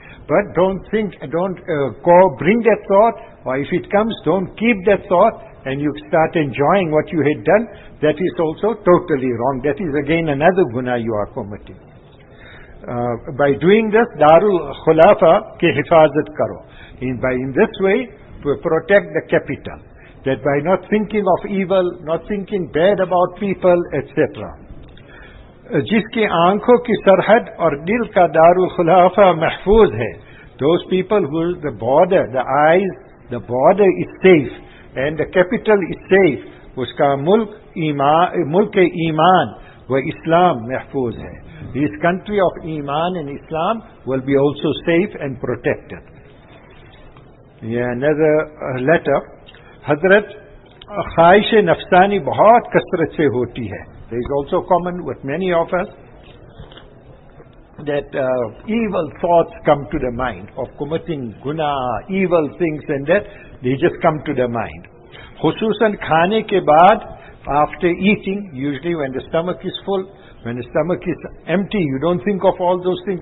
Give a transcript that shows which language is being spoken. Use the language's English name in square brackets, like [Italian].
[English] But don't think, bring that thought, or if it comes, don't keep that thought, and you start enjoying what you had done, that is also totally wrong. That is again another guna you are committing. By doing this, [Urdu] darul khulafa ke hifazat karo. [English] In this way, to protect the capital. That by not thinking of evil, not thinking bad about people, etc. [Urdu] جس کے آنکھوں کی سرحد اور دل کا دار الخلافة محفوظ ہے. [English] Those people who the border, the eyes, the border is safe and the capital is safe. [Urdu] اس کا ملک ایمان و اسلام محفوظ ہے. [English] This country of iman and Islam will be also safe and protected. Yeah, another letter. [Urdu] حضرت خواہش نفسانی بہت کثرت سے ہوتی ہے. [English] There is also common with many of us that evil thoughts come to the mind of committing guna, evil things and that, they just come to the mind. [Urdu] خصوصاً کھانے کے بعد, [English] after eating, usually when the stomach is full, when the stomach is empty, you don't think of all those things.